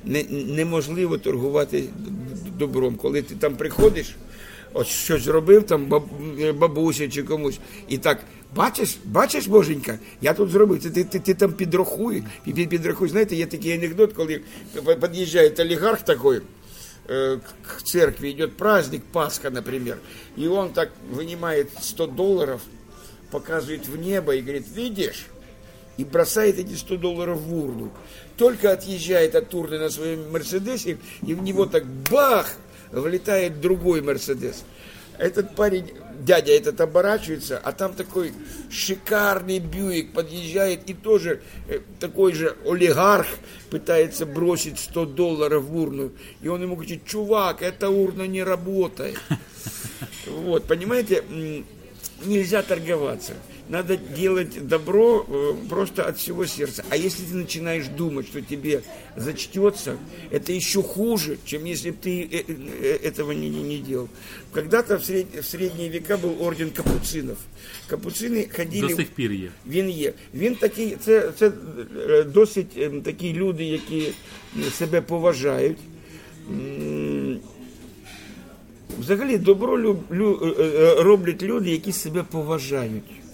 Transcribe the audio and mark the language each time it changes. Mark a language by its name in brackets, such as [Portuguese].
[Ukrainian] Неможливо торгувати добром. Коли ти там приходиш, ось щось зробив там бабусі чи комусь, і так, бачиш, боженька, я тут зробив, ти там підрахуй. Знаєте, є такий анекдот, коли під'їжджає олігарх такий к церкві, йде праздник, Пасха, наприклад, і він так виймає $100, [Russian] показывает в небо и говорит, видишь? И бросает эти $100 в урну. Только отъезжает от урны на своем Мерседесе, и в него так бах, влетает другой Мерседес. Этот парень, дядя этот, оборачивается, а там такой шикарный Бьюик подъезжает, и тоже такой же олигарх пытается бросить $100 в урну. И он ему говорит, чувак, эта урна не работает. Вот, понимаете, нельзя торговаться. Надо делать добро просто от всего сердца. А если ты начинаешь думать, что тебе зачтется, это еще хуже, чем если бы ты этого не делал. Когда-то в средние века был орден капуцинов. Капуцины ходили... [Ukrainian] До сих пір є. Він є. Він такий, це досить такі люди, які себе поважають. Взагалі, добро роблять люди, які себе поважають.